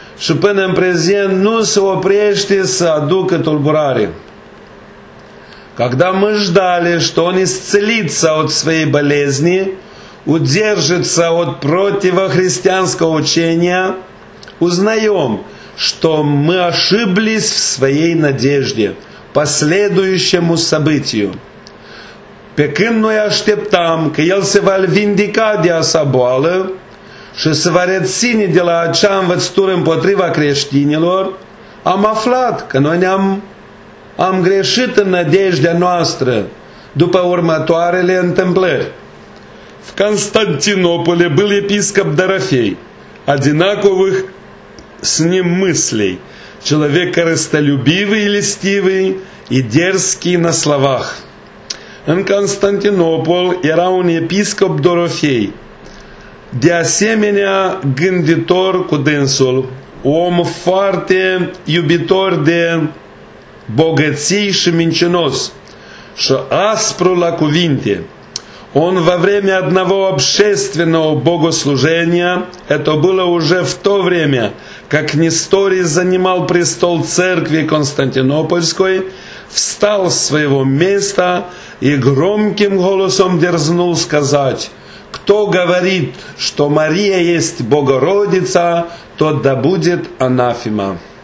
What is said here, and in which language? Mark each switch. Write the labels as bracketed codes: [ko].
[ro] și până în prezent nu se oprește să aducă tulburare. [ru] Когда мы ждали, что он исцелится от своей болезни, удержится от противохристианского учения, узнаем, что мы ошиблись в своей надежде по следующему событию. [ro] Pe când noi așteptam că el se va vindica de acea boală și se va reține de la acea învățătură împotriva creștinilor, am aflat că noi am greșit în nădejdea noastră după următoarele întâmplări. [ru] В Константинополе был епископ Дорофей, одинаковых с ним мыслей, человек корыстолюбивый и листивый и дерзкий на словах. [ro] În Constantinopol era un episcop Dorofei, de asemenea gânditor cu dânsul, om foarte iubitor de bogății și mincinos și aspru la cuvinte. [ru] Он во время одного общественного богослужения, это было уже в то время, как Несторий занимал престол церкви Константинопольской, встал с своего места и громким голосом дерзнул сказать, «Кто говорит, что Мария есть Богородица, тот да будет анафема».